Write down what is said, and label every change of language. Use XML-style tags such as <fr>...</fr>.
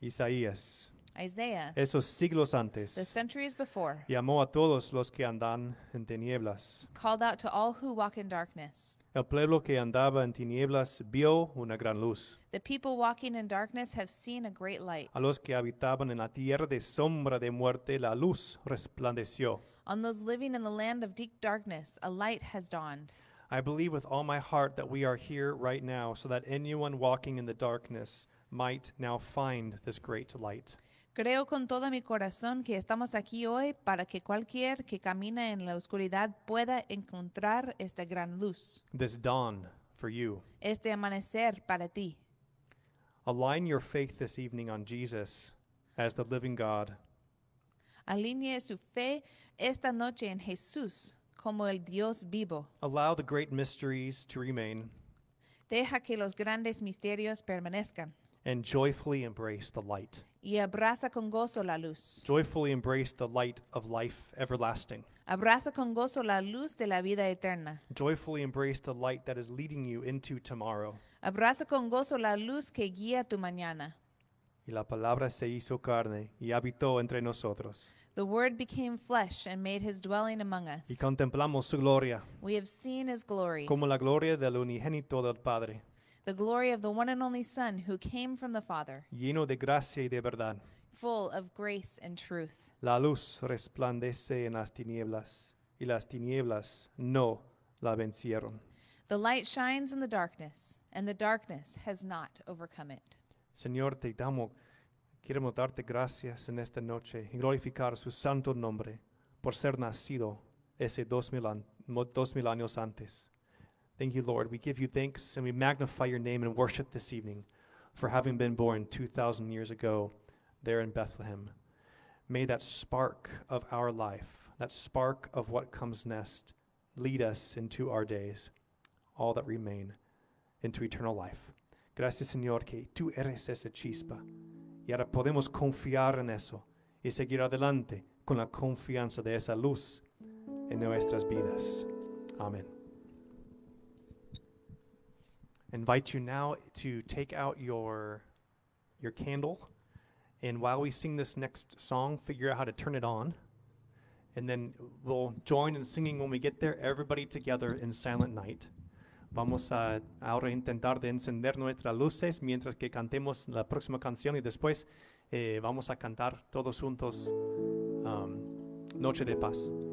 <es>Isaías.</es> <en>Isaiah.</en> <es>Esos siglos antes.</es> <en>The centuries before.</en> <es>Llamó a todos los que andan en tinieblas.</es> <en>Called out to all who walk in darkness.</en> <es>El pueblo que andaba en tinieblas vio una gran luz.</es> <en>The people walking in darkness have seen a great light.</en> <es>A los que habitaban en la tierra de sombra de muerte, la luz resplandeció.</es> <en>On those living in the land of deep darkness, a light has dawned. I believe with all my heart that we are here right now so that anyone walking in the darkness might now find this great light.</en> <es>Creo con todo mi corazón que estamos aquí hoy para que cualquier que camina en la oscuridad pueda encontrar esta gran luz.</es> <en>This dawn for you.</en> <es>Este amanecer para ti.</es> <en>Align your faith this evening on Jesus as the living God.</en> <es>Alinee su fe esta noche en Jesús como el Dios vivo.</es> <en>Allow the great mysteries to remain.</en> <es>Deja que los grandes misterios permanezcan.</es> <en>And joyfully embrace the light.</en> <es>Y abraza con gozo la luz.</es> <en>Joyfully embrace the light of life everlasting.</en> <es>Abraza con gozo la luz de la vida eterna.</es> <en>Joyfully embrace the light that is leading you into tomorrow.</en> <es>Abraza con gozo la luz que guía tu mañana. Y la palabra se hizo carne y habitó entre nosotros.</es> <en>The word became flesh and made his dwelling among us.</en> <es>Y contemplamos su gloria.</es> <en>We have seen his glory.</en> <es>Como la gloria del unigénito del Padre.</es> <en>The glory of the one and only Son who came from the Father.</en> <es>Lleno de gracia y de verdad.</es> <en>Full of grace and truth.</en> <es>La luz resplandece en las tinieblas, y las tinieblas no la vencieron.</es> <en>The light shines in the darkness, and the darkness has not overcome it.</en> <es>Señor, te damos, queremos darte gracias en esta noche y glorificar su santo nombre por ser nacido ese 2,000 años antes.</es> <en>Thank you, Lord. We give you thanks and we magnify your name and worship this evening for having been born 2,000 years ago there in Bethlehem. May that spark of our life, that spark of what comes next, lead us into our days, all that remain, into eternal life.</en> <es>Gracias, Señor, que tú eres esa chispa. Y ahora podemos confiar en eso y seguir adelante con la confianza de esa luz en nuestras vidas.</es> <en>Amen. Invite you now to take out your candle, and while we sing this next song, figure out how to turn it on, and then we'll join in singing when we get there, everybody together in Silent Night.</en> <es>Vamos a ahora intentar de encender nuestras luces mientras que cantemos la próxima canción, y después vamos a cantar todos juntos Noche de Paz.</es>